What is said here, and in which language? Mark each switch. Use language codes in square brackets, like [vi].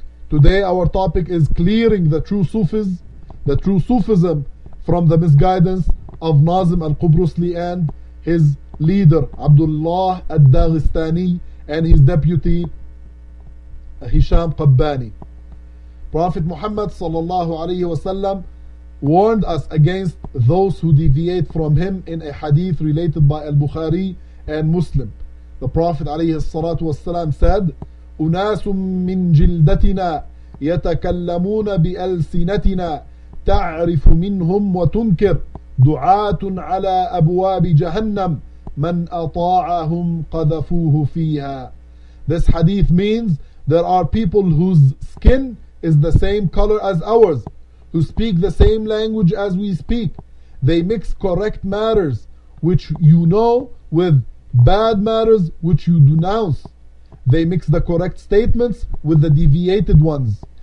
[en] Today our topic is clearing the true Sufis, the true Sufism, from the misguidance of Nazim al-Qubrusli and his leader, Abdullah al-Daghistani, and his deputy, Hisham Qabbani. Prophet Muhammad sallallahu alayhi wa sallam warned us against those who deviate from him in a hadith related by al-Bukhari and Muslim. The Prophet alayhi salatu wa sallam said, [ar] أُنَاسٌ مِّن جِلْدَتِنَا يَتَكَلَّمُونَ بِأَلْسِنَتِنَا تَعْرِفُ مِنْهُمْ وَتُنْكِرْ دُعَاتٌ عَلَىٰ أَبْوَابِ جَهَنَّمْ مَنْ أَطَاعَهُمْ قَذَفُوهُ فِيهَا. [en] This hadith means there are people whose skin is the same color as ours, who speak the same language as we speak. They mix correct matters, which you know, with bad matters, which you denounce. They mix the correct statements with the deviated ones.